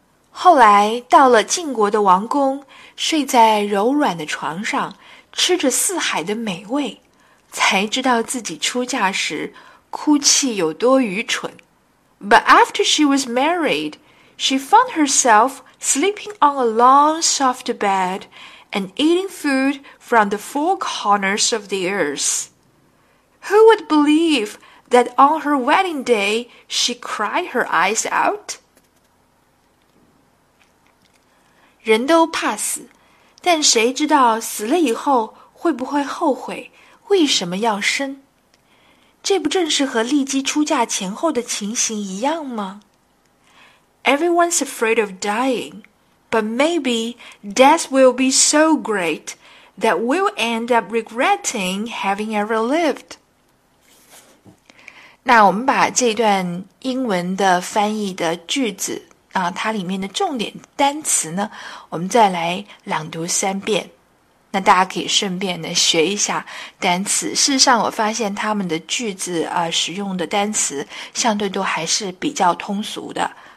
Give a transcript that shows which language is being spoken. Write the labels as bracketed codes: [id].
[zh] 后来到了晋国的王宫，睡在柔软的床上，吃着四海的美味，才知道自己出嫁时哭泣有多愚蠢。 [en] But after she was married, she found herself sleeping on a long, soft bed and eating food from the four corners of the earth. Who would believe that on her wedding day she cried her eyes out? [zh] 人都怕死，但谁知道死了以后会不会后悔，为什么要生？这不正是和丽姬出嫁前后的情形一样吗？ [en] Everyone's afraid of dying, but maybe death will be so great that we'll end up regretting having ever lived. [zh] 那我们把这段英文的翻译的句子，它里面的重点单词呢，我们再来朗读三遍。那大家可以顺便的学一下单词。事实上我发现他们的句子使用的单词相对都还是比较通俗的。